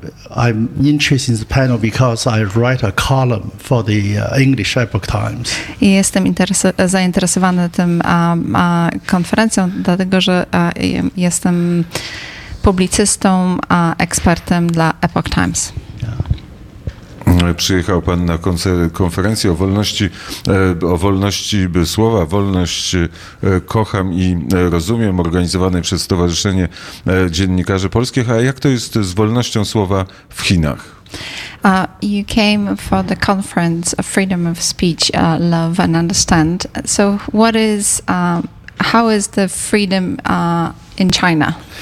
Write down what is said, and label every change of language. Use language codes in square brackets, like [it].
[en] I'm interested in the panel because I write a column for the English Epoch Times. [pl] I jestem zainteresowany tym konferencją, dlatego że jestem publicystą, ekspertem dla Epoch Times. Przyjechał pan na konferencję o wolności słowa, wolność kocham i rozumiem, organizowanej przez Stowarzyszenie Dziennikarzy Polskich. A jak to jest z wolnością słowa w Chinach? [en] You came for the conference of freedom of speech, love and understand. So what is, how is the freedom in China?